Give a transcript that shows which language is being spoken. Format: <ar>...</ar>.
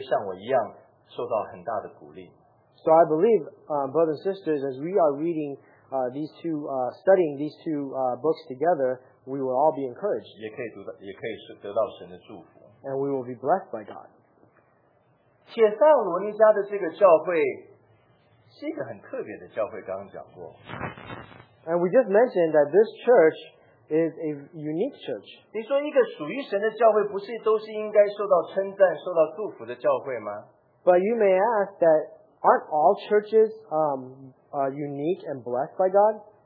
<zh>所以我相信，在这卷书上面，在我们的学习当中，弟兄姐妹们，你会像我一样受到很大的鼓励。</zh> <en>So I believe, brothers and sisters, as we are reading studying these two books together. We will all be encouraged.</en> <zh>也可以得到神的祝福。</zh> <en>And we will be blessed by God.</en> <zh>帖撒罗尼迦的这个教会是一个很特别的教会，刚刚讲过。</zh> <en>And we just mentioned that this church is a unique church.</en> <zh>你说一个属于神的教会不是都是应该受到称赞，受到祝福的教会吗？</zh> <en>But you may ask that aren't all churches unique and blessed by God?</en>